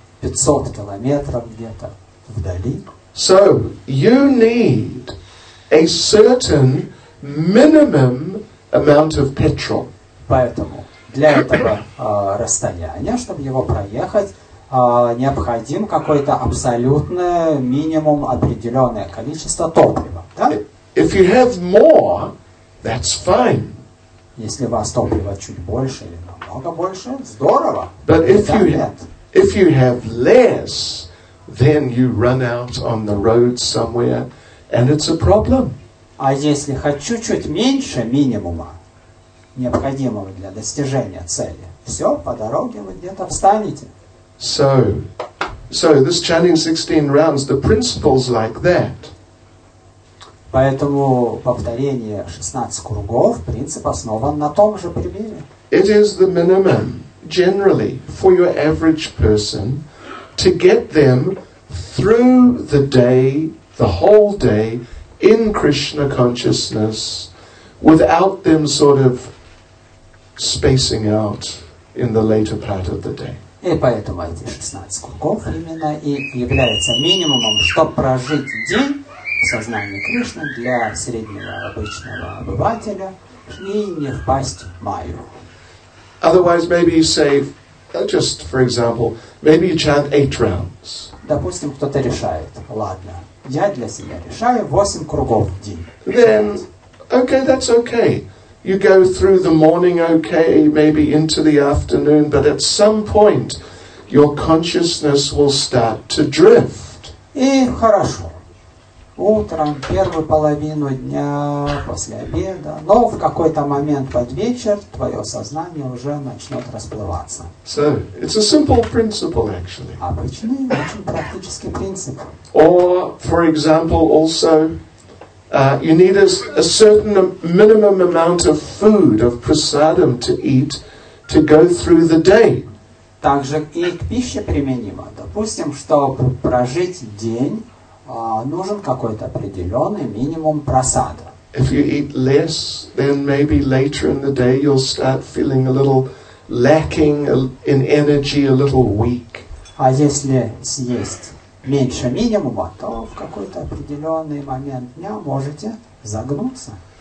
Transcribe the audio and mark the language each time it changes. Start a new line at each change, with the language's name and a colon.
Russian: 500 километров где-то вдали.
English: So you need a certain minimum amount of petrol.
Russian: Поэтому для этого расстояния, чтобы его проехать, необходим какой-то абсолютный минимум определенное количество топлива, да?
English: If you have more, that's fine.
Russian: Если у вас топлива чуть больше или намного больше, здорово.
English: But if you have less, then you run out on the road somewhere, and it's a problem.
Russian: А если хоть чуть-чуть меньше минимума, необходимого для достижения цели, все, по дороге вы где-то встанете.
English: So this chanting 16 rounds, the principle's like that.
Russian: Поэтому повторение 16 кругов, принцип основан на том же примере.
English: It is the minimum, generally, for your average person to get them through the day, the whole day, in Krishna consciousness, without them sort of spacing out in the later part of the day.
Russian: И поэтому эти 16 кругов именно и являются минимумом, чтобы прожить день в сознании Кришны для среднего обычного обывателя и не впасть в майю.
English: Otherwise, maybe you say, just for example, maybe you chant 8 rounds.
Russian: Допустим, кто-то решает, ладно, я для себя решаю 8 кругов в день.
English: Then, okay, that's okay. You go through the morning okay, maybe into the afternoon, but at some point your consciousness will start to drift.
Russian: И хорошо. Утром, первую половину дня, после обеда, но в какой-то момент под вечер твое сознание уже начнет расплываться.
English: So, it's a simple principle actually.
Russian: Обычный, очень практический принцип.
English: Or, for example, also you need a certain minimum amount of food, of prasadam to eat, to go through the day.
Russian: Также и к пище применимо. Допустим, чтобы прожить день, нужен какой-то определенный минимум прасада.
English: If you eat less, then maybe later in the day you'll start feeling a little lacking in energy, a little weak.
Russian: А если съесть меньше минимума, то в какой-то определенный момент дня можете загнуться.